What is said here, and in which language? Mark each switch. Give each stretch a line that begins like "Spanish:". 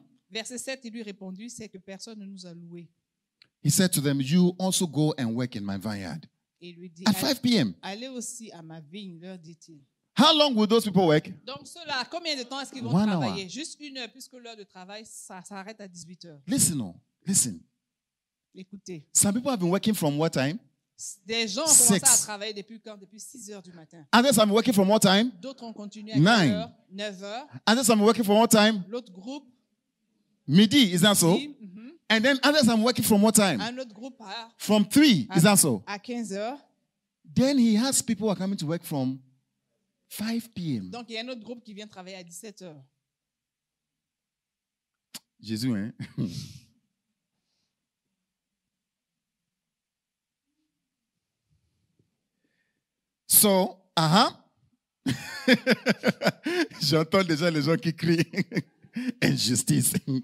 French: Verset 7, il lui répondit, c'est que personne ne nous a loué.
English: He said to them, you also go and work in my vineyard.
French: Il lui dit,
English: at 5 p.m.
French: Allez aussi à ma vigne, leur dit-il.
English: How long will those people work?
French: Donc cela, combien de temps est-ce qu'ils vont travailler? Juste une heure, puisque l'heure de travail s'arrête à 18 heures.
English: Listen.
French: Écoutez.
English: Some people have been working from what time?
French: Des gens ont commencé à travailler depuis quand? Depuis 6 heures du matin.
English: Others have been working from what time?
French: D'autres ont continué à 9 heures. 9 heures.
English: Others have been working from what time?
French: L'autre groupe.
English: Midi, is that so? And then others I'm working from what time? Another group from 3, is that so?
French: À 15 heures.
English: Then he has people who are coming to work from 5 p.m.
French: Donc il y a un autre groupe qui vient travailler à 17 heures. Jésus, hein? So, J'entends déjà les gens qui crient injustice.